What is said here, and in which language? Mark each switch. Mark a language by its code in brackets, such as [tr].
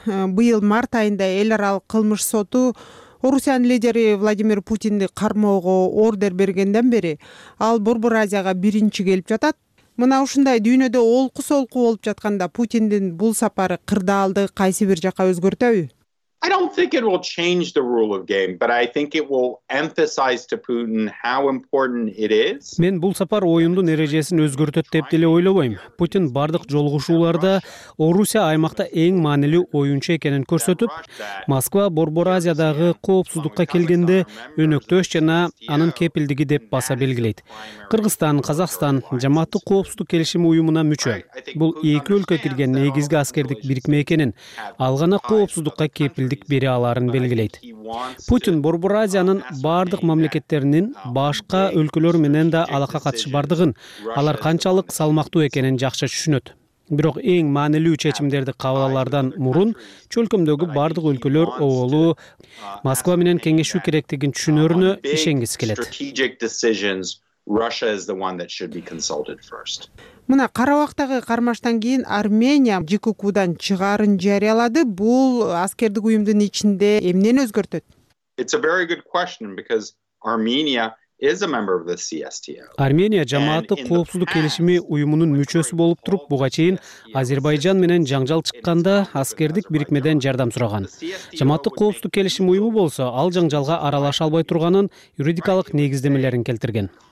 [ky] Быйыл март айында эл аралык кылмыш соту Орусиянын лидери Владимир Путинди кармоого ордер бергенден бери ал Борбор Азияга биринчи келип жатат. Мына ушундай дүйнөдө олку-солку болуп жатканда Путиндин бул сапары кырдаалды кайсы бир жакка өзгөртөбү? [en] I don't think it will change the rule of game, but I think it will emphasize to Putin how important it is. [ky] Мен бул сапар оюндун эрежесин өзгөртөт деп деле ойлобойм. Путин бардык жолугушууларда Орусия аймакта эң маанилүү оюнчу экенин көрсөтүп, Москва Борбор Азиядагы коопсуздукка келгенде өнөктөш жана анын кепилдиги деп баса белгилейт. Кыргызстан, Казакстан жамааттык коопсуздук келишими уюмуна мүчө. Бул эки өлкө кирген негизги аскердик бирикме экенин, ал гана коопсуздукка кеп билдик бере аларын белгилейт. Путин Борбор Азиянын бардык мамлекеттеринин башка өлкөлөр менен да алака катышы бардыгын, алар канчалык салмактуу экенин жакшы түшүнөт. Бирок эң маанилүү чечимдерди кабыл алардан мурун чөлкөмдөгү бардык өлкөлөр оолу Москва менен кеңешүү керектигин түшүнөрүнө ишенгиси келет. [en] Russia is the one that should be consulted first. [ky] Мына Карабактагы кармаштан кийин Армения ЖКК-дан чыгарын жарыялады. Бул аскердик уюмдун ичинде эмнени өзгөртөт? [en] It's a very good question because Armenia is a member of the CSTO. [ky] Армения жамааты коопсуздук келишими уюмунун мүчөсү болуп туруп, буга чейин Азербайжан менен жаңжал чыкканда аскердик бирикмеден жардам сураган. Жамааты коопсуздук келишим уюму болсо, ал жаңжалга аралаша албай турганын юридикалык негиздемелерин келтирген.